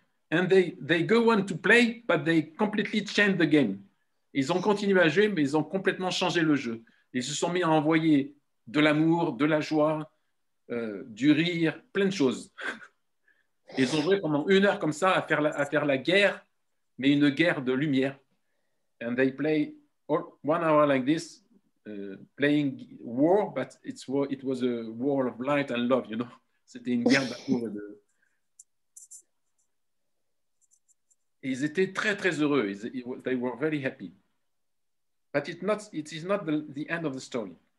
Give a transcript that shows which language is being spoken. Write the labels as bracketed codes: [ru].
[en] And they go on to play, but they completely change the game. [fr] Ils ont continué à jouer, mais ils ont complètement changé le jeu. Ils se sont mis à envoyer de l'amour, de la joie, du rire, plein de choses. Ils ont joué pendant une heure comme ça à faire la guerre, mais une guerre de lumière. [en] And they play one hour like this, playing war, but it was a war of light and love, you know. [fr] C'était une guerre d'amour et de... Et ils étaient très, très heureux. [en] They were very happy. But it is not the end of the story.